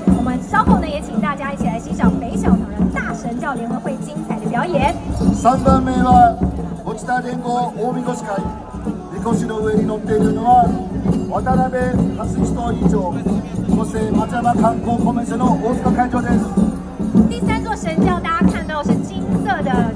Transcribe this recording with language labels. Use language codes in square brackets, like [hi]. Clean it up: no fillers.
[zh] 我们稍后呢也请大家一起来欣赏北小唐人大神教联合会精彩的表演。 [ja] 三番目は落ちた連合大みこし会、みこしの上に乗っているのは渡辺勝人議長、そして松山観光コミッションの大塚会長です。 [zh] 第三座神教大家看到是金色的。